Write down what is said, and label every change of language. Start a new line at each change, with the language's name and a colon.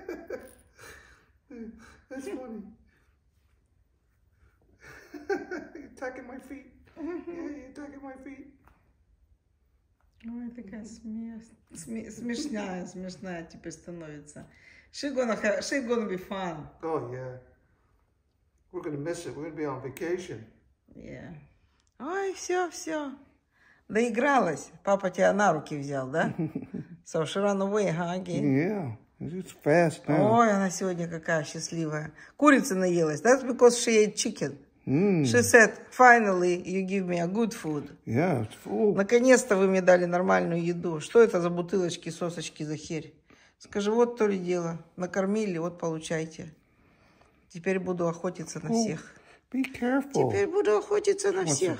English: That's funny. You're attacking my feet. Yeah, you're attacking my feet.
Russian: Ой, такая смешная, смешная теперь становится.
English: She gonna be fun. Oh, yeah. We're gonna miss it. We're gonna be on vacation.
Russian: Yeah. Ой, все. Доигралась. Папа тебя на руки взял, да?
English: So she ran away, huh, again? Yeah. It's fast, man.
Russian: Ой, она сегодня какая счастливая. Курица наелась.
English: That's because she ate chicken. She said, finally, you give me a good food. Yeah, food.
Russian: Наконец-то вы мне дали нормальную еду. Что это за бутылочки, сосочки, за херь? Скажи, вот то ли дело. Накормили, вот получайте. Теперь буду охотиться на всех.
English: Be careful.
Russian: Теперь буду охотиться на всех.